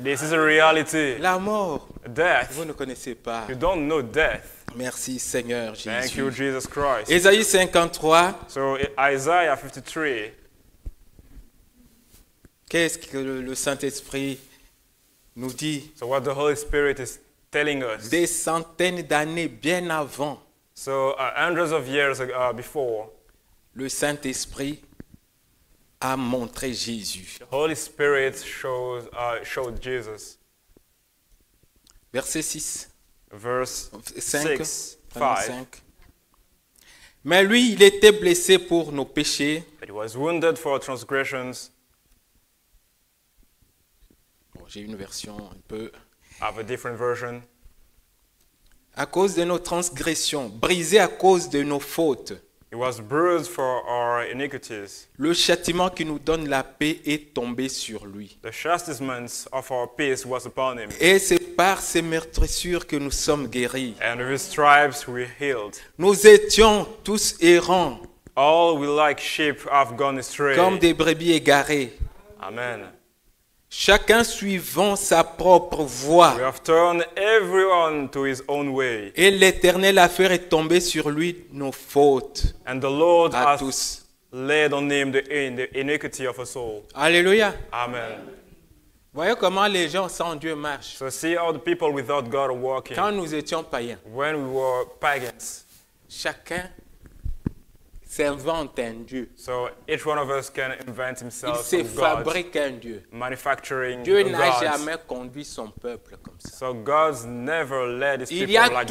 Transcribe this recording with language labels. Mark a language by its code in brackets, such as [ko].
[en] This is a reality. [fr] La mort. [en] Death. [fr] Vous ne connaissez pas. [en] You don't know death. [fr] Merci Seigneur Jésus. [en] Thank you Jesus Christ. [fr] Ésaïe 53. [en] So Isaiah 53. [fr] Qu'est-ce que le Saint-Esprit nous dit? [en] So what the Holy Spirit is telling us. [fr] Des centaines d'années bien avant. [en] So hundreds of years before. [fr] Le Saint-Esprit a montré Jésus. [en] The Holy Spirit showed Jesus. [fr] Verset 6. [en] Verse 5. [fr] Mais lui, il était blessé pour nos péchés. [en] But he was wounded for our transgressions. [fr] Bon, j'ai une version un peu. [en] I have a different version. [fr] À cause de nos transgressions, brisé à cause de nos fautes. [en] He was bruised for our iniquities. [fr] Le châtiment qui nous donne la paix est tombé sur lui. [en] The chastisement of our peace was upon him. [fr] Et c'est par ses meurtrissures que nous sommes guéris. [en] And with his stripes we healed. [fr] Nous étions tous errants. [en] All we like sheep have gone astray. [fr] Comme des brebis égarées. Amen. Chacun suivant sa propre voie. [en] We have turned everyone to his own way. [fr] Et l'Éternel a fait retomber sur lui nos fautes. [en] And the Lord [fr] à [en] has [fr] tous [en] laid on him the iniquity of us all. [fr] Alléluia. Amen. Voyez comment les gens sans Dieu marchent. [en] So see how the people without God are walking. [fr] Quand nous étions païens. [en] When we were pagans. [fr] Chacun s'invente un dieu. [en] So each one of us can invent himself. [fr] Il se fabrique un dieu. [en] Manufacturing [fr] Dieu n'a jamais conduit son peuple comme ça. [en] So God's never led his people like that.